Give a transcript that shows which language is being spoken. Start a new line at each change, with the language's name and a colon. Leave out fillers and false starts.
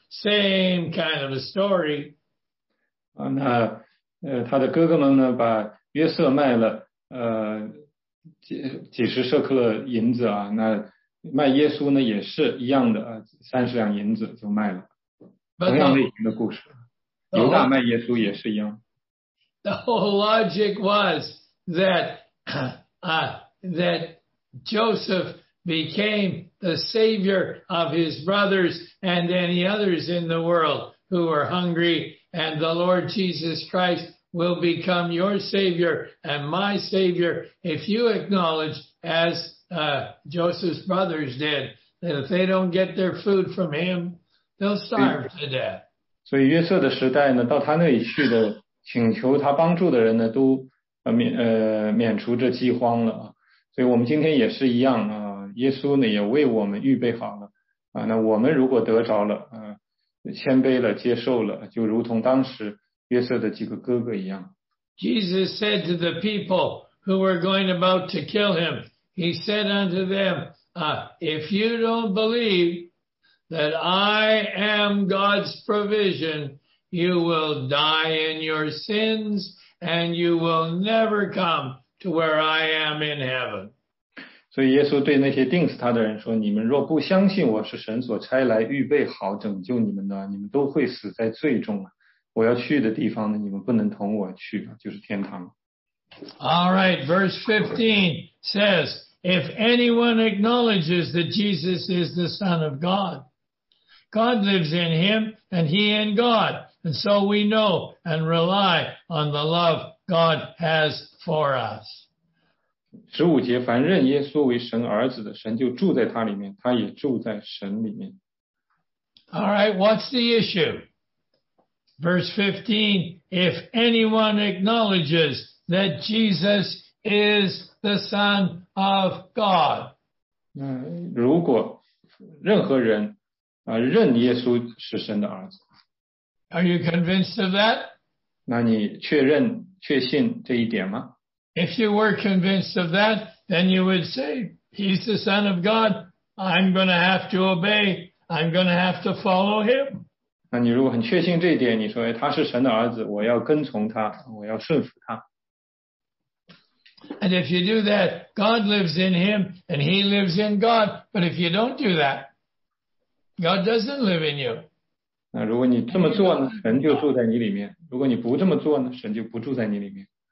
English: Same kind of a story.
Chinese: 那他的哥哥们呢，把约瑟卖了几十舍克勒银子啊，那卖耶稣呢也是一样的啊，30两银子就卖了。同样类型的故事，犹大卖耶稣也是一样。
English: The whole logic was that that Joseph became the savior of his brothers and any others in the world who were hungry, and the Lord Jesus Christ will become your savior and my savior if you acknowledge, as Joseph's brothers did, that if they don't get their food from him, they'll starve to death.
Chinese: 所以约瑟的时代呢，到他那里去的请求他帮助的人呢，都免除这饥荒了。所以我们今天也是一样啊，耶稣呢也为我们预备好了啊，那我们如果得着了谦卑了，接受了，就如同当时约瑟的几个哥哥一样。
English: Jesus said to the people who were going about to kill him, he said unto them, if you don't believe that I am God's provision, you will die in your sins and you will never come to where I am in heaven.
Chinese: 所以耶稣对那些钉死他的人说，你们若不相信我是神所差来预备好拯救你们的，你们都会死在罪中啊。我要去的地方呢，你们不能同我去，就是天堂。
English: All right, verse 15 says, if anyone acknowledges that Jesus is the Son of God, God lives in him and he in God. And so we know and rely on the love God has for us.
Chinese: 15节，凡认耶稣为神儿子的，神就住在他里面，他也住在神里面。
English: All right, what's the issue? Verse 15, if anyone acknowledges that Jesus is the Son of God.
Chinese: 如果任何人认耶稣是神的儿子。
English: Are you convinced of that?
Chinese: 那你确认确信这一点吗?
English: If you were convinced of that, then you would say, he's the Son of God. I'm going to have to obey. I'm going to have to follow him.
Chinese: 那你如果很确信这一点，你说，哎，他是神的儿子，我要跟从他，我要顺服他。
English: And if you do that, God lives in him, and he lives in God. But if you don't do that, God doesn't live in you.
Chinese: 那如果你这么做呢，神就住在你里面；如果你不这么做呢，神就不住在你里面。